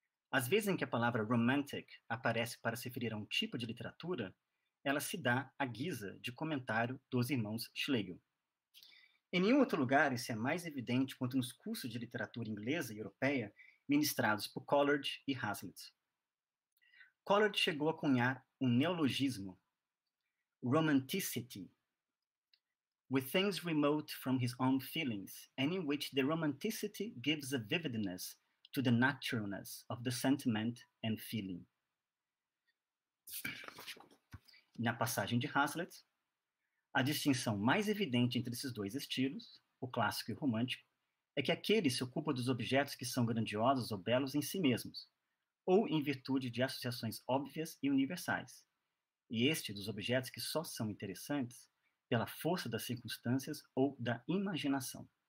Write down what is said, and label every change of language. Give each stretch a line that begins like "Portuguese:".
Portuguese: Às vezes em que a palavra romantic aparece para se referir a um tipo de literatura, ela se dá à guisa de comentário dos irmãos Schlegel. Em nenhum outro lugar isso é mais evidente quanto nos cursos de literatura inglesa e europeia ministrados por Coleridge e Hazlitt. Coleridge chegou a cunhar um neologismo,
English: romanticity, with things remote from his own feelings, and in which the romanticity gives a vividness to the naturalness of the sentiment and feeling.
Portuguese: Na passagem de Hazlitt, a distinção mais evidente entre esses dois estilos, o clássico e o romântico, é que aquele se ocupa dos objetos que são grandiosos ou belos em si mesmos, ou em virtude de associações óbvias e universais, e este dos objetos que só são interessantes pela força das circunstâncias ou da imaginação.